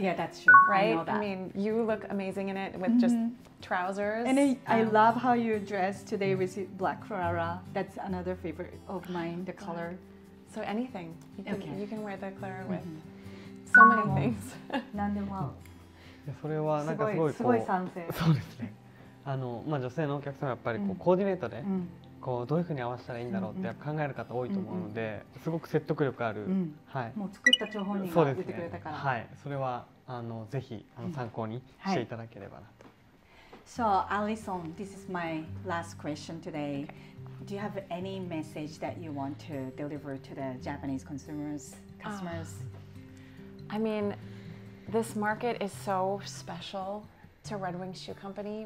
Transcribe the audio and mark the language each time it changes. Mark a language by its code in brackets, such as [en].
[en] Yeah, that's true. Right? I know that. I mean, you look amazing in it with just trousers. And I love how you dress today with black Clara. That's another favorite of mine, the color. So anything. You can wear the Clara with so many things. [ja] 何でも。いや、それはなんかすごいこう、すごい賛成。そうですね。あの、まあ女性のお客さんはやっぱりこうコーディネートで、こうどういうふうに合わせたらいいんだろうって考える方多いと思うのですごく説得力ある、はい、もう作った張本人が出てくれたから、はい、それはあのぜひあの参考にしていただければなと、 [en] So Alison, this is my last question today. Do you have any message that you want to deliver to the Japanese consumers, customers? I mean, this market is so special to Red Wing Shoe Company.